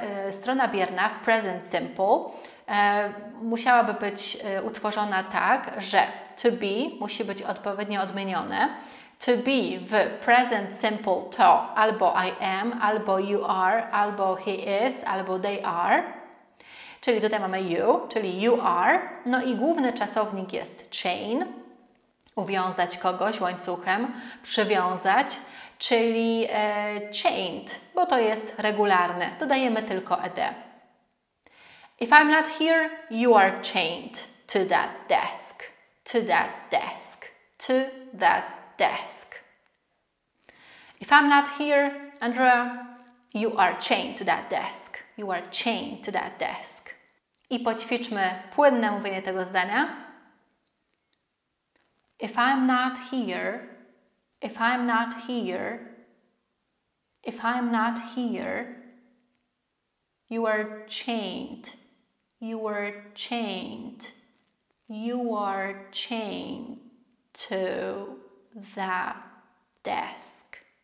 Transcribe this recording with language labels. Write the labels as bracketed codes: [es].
[pl] Strona bierna w present simple musiałaby być utworzona tak, że to be musi być odpowiednio odmienione. To be w present simple to albo [en] I am, [pl] albo [en] you are, [pl] albo [en] he is, [pl] albo [en] they are. [pl] Czyli tutaj mamy you, czyli [en] you are. [pl] No i główny czasownik jest chain, uwiązać kogoś łańcuchem, przywiązać. Czyli chained, bo to jest regularne. Dodajemy tylko ed. [en] If I'm not here, you are chained to that desk. To that desk. To that desk. If I'm not here, Andrea, you are chained to that desk. You are chained to that desk. [pl] I poćwiczmy płynne mówienie tego zdania. [en] If I'm not here, if I'm not here, if I'm not here, you are chained, you are chained, you are chained to that desk.